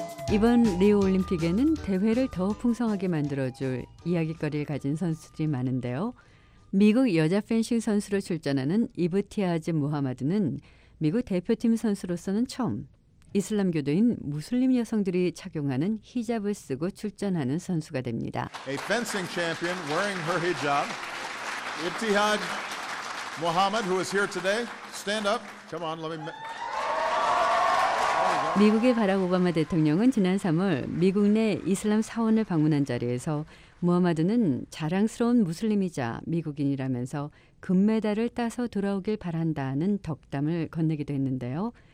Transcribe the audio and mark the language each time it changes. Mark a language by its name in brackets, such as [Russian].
[Korean] 이번 리우 올림픽에는 대회를 더 풍성하게 만들어줄 이야기거리를 가진 선수들이 많은데요. 미국 여자 펜싱 선수로 출전하는 이브티아즈 무하마드는 미국 대표팀 선수로서는 처음, 이슬람교도인 무슬림 여성들이 착용하는 히잡을 쓰고 출전하는 선수가 됩니다. [English] A fencing champion wearing her hijab. Ibtihaj Muhammad, who is here today, stand up. Come on, let me. [Korean] 미국의 바락 오바마 대통령은 지난 3월 미국 내 이슬람 사원을 방문한 자리에서 무하마드는 자랑스러운 무슬림이자 미국인이라면서 금메달을 따서 돌아오길 바란다는 덕담을 건네기도 했는데요.